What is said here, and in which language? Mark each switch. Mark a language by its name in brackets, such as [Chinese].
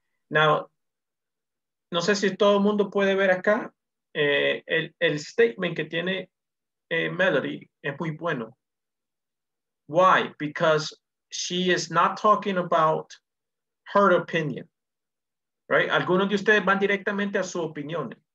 [Spanish] Now, no sé si todo el mundo puede ver acá, el statement que tiene Melody es muy bueno. [English] Why? Because she is not talking about her opinion, right? [Spanish] Algunos de ustedes van directamente a su opinión.